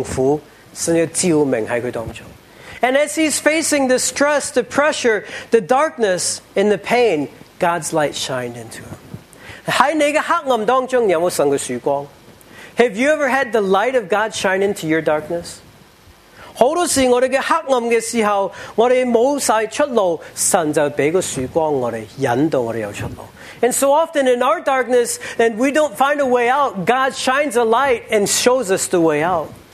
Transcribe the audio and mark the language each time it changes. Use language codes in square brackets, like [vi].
[zh] 在面对这个黑暗压力困扰痛苦，神要照明在他当中. [en] And as he's facing the stress, the pressure, the darkness, and the pain, God's light shined into him. [zh] 在你的黑暗当中有没有神的曙光? [en] Have you ever had the light of God shine into your darkness? [zh] 很多时我们在黑暗的时候，我们没有出路，神就给个曙光，我们引导我们有出路。 [en] And so often in our darkness, and we don't find a way out, God shines a light and shows us the way out.